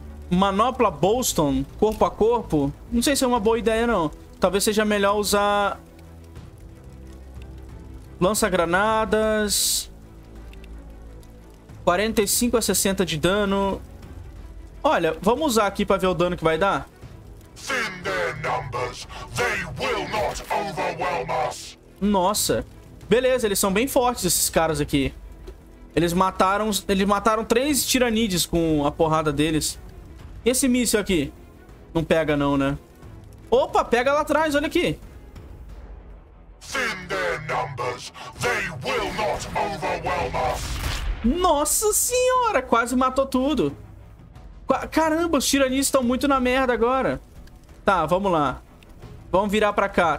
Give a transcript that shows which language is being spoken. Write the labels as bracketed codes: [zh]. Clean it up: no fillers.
[pt] manopla Boston, corpo a corpo. Não sei se é uma boa ideia, não. Talvez seja melhor usar... lança-granadas... 45 a 60 de dano. Olha, vamos usar aqui pra ver o dano que vai dar. [en] Thin their numbers. They will not overwhelm us. [pt] Nossa. Beleza, eles são bem fortes, esses caras aqui. Eles mataram 3 tiranides com a porrada deles. E esse míssil aqui? Não pega não, né? Opa, pega lá atrás, olha aqui. [en] Thin their numbers. They will not overwhelm us. [pt] Nossa senhora, quase matou tudo. Caramba, os tiranis estão muito na merda agora. Tá, vamos lá. Vamos virar pra cá.